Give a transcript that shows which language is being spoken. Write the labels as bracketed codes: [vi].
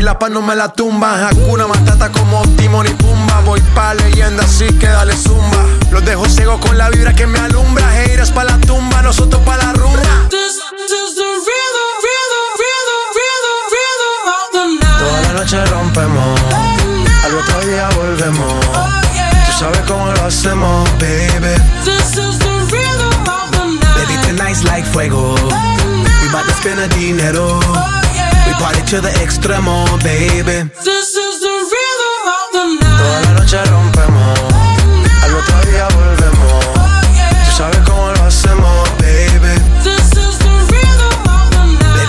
[es] No me la tumba, Hakuna Matata como Timón y Pumba. Voy pa' leyenda, así que dale zumba. Los dejo ciego con la vibra que me alumbra. Haters pa' la tumba, nosotros pa' la rumba. [en] This is the rhythm of the night. [es] Toda la noche rompemos, al otro día volvemos. [en] Oh, yeah. [es] Tú sabes cómo lo hacemos, baby. [en] This is the rhythm of the night. Baby, tonight's like fuego. We about to spend the dinero. Oh, yeah. Party to the extremo, baby. This is the rhythm of the night. [es] Toda la noche rompemos, al otro día volvemos. [en] Oh, yeah. [es] Tú sabes cómo lo hacemos, baby. [en] This is the rhythm of the night.